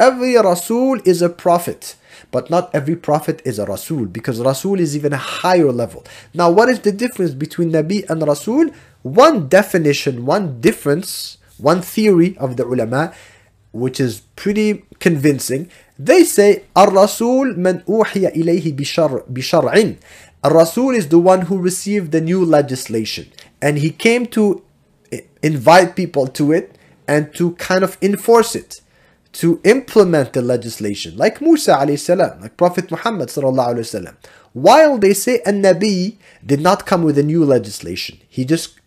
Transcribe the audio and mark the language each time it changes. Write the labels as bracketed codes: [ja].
[en] Every Rasul is a prophet, but not every prophet is a Rasul, because Rasul is even a higher level. Now, what is the difference between Nabi and Rasul? One definition, one difference, one theory of the ulama, which is pretty convincing. They say, [ar] الرسول من أوحي إليه بشرع. [en] الرسول is the one who received the new legislation, and he came to invite people to it and to kind of enforce it, to implement the legislation, like Musa عليه السلام, like Prophet Muhammad صلى الله عليه وسلم. While they say النبي did not come with a new legislation, he just